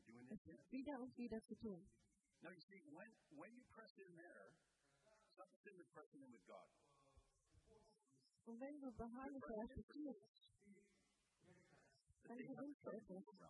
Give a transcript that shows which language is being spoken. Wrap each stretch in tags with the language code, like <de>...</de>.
<de>Es ist wieder und wieder zu tun.</de> <en>Now you see, when you press in there, something is pressing in with God.</en> <de>Und wenn du beharrlich persistierst, dann gewinnst du etwas.</de>